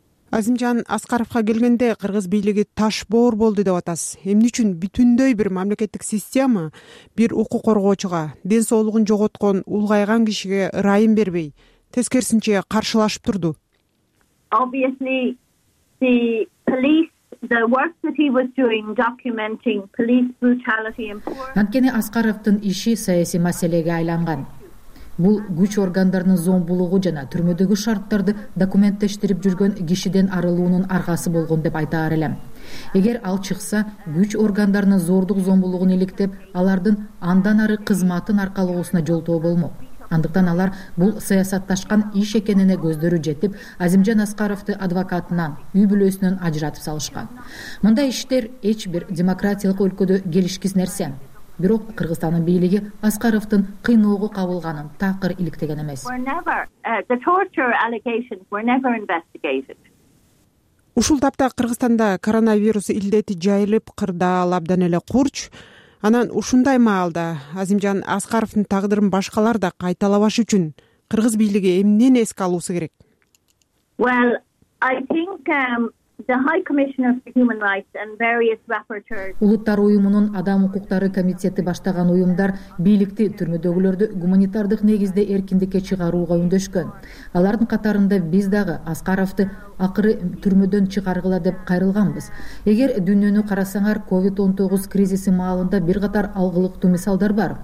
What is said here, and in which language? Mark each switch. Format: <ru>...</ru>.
<ky>Азимжан Аскаровго келгенде кыргыз бийлиги таш боор болду деп атасыз. Эмне үчүн бүтүндөй бир мамлекеттик система бир укук коргоочуга, ден соолугун жоготкон улгайган кишиге ырайым бербей, тескерисинче каршылашып турду?</ky> <en>Obviously, the police the work that he was doing documenting police brutality and poor.</en> <ky>Анткени Аскаровдун иши саясий маселеге айланган. Бул күч органдарынын зомбулугу жана түрмөдөгү шарттарды документтештирип жүргөн кишиден арылуунун аргасы болгон деп айтаар элем. Эгер ал чыкса, күч органдарынын зордук зомбулугун иликтеп, алардын андан ары кызматын аркалоосуна жолтоо болмок. Андыктан алар бул саясатташкан иш экенине көздөрү жетип, Азимжан Аскаровду адвокатынан, үй бүлөсүнөн ажыратып салышкан. Мындай иштер эч бир демократиялык өлкөдө келишкис нерсе. Бирок Кыргызстандын бийлиги Аскаровдун кыйноого кабылганын такыр иликтеген эмес. Ушул тапта Кыргызстанда коронавирус илдети жайылып, кырдаал абдан эле курч. Анан ушундай маалда Азимжан Аскаровдун тагдырын башкалар да кайталабаш үчүн кыргыз бийлиги эмнени эске алуусу керек?</ky> <en>Well, I think the High Commissioner for Human Rights and various rapporteurs.</en> <ky>Улуттар уюмунун адам укуктары комитети баштаган уюмдар бийликти түрмөдөгүлөрдү гуманитардык негизде эркиндикке чыгарууга үндөшкөн. Алардын катарында биз дагы Аскаровду акыры түрмөдөн чыгаргыла деп кайрылганбыз. Эгер дүйнөнү карасаңар, COVID-19 кризиси маалында бир катар алгылыктуу мисалдар бар.</ky>